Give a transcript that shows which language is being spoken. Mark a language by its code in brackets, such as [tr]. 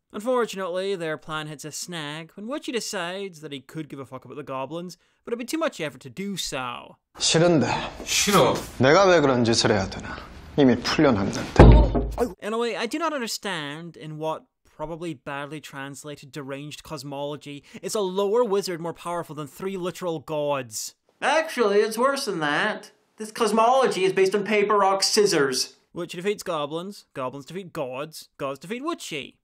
[en] Unfortunately, their plan hits a snag when Woochie decides that he could give a fuck about the goblins, but it'd be too much effort to do so. [ko] 싫은데. 싫어. 내가 왜 그런 짓을 해야 되나? 이미 풀려났는데. [en] In a way, I do not understand in what probably badly translated deranged cosmology, is a lower wizard more powerful than three literal gods? Actually, it's worse than that. This cosmology is based on paper, rock, scissors. Woochie defeats goblins, goblins defeat gods, gods defeat Woochie.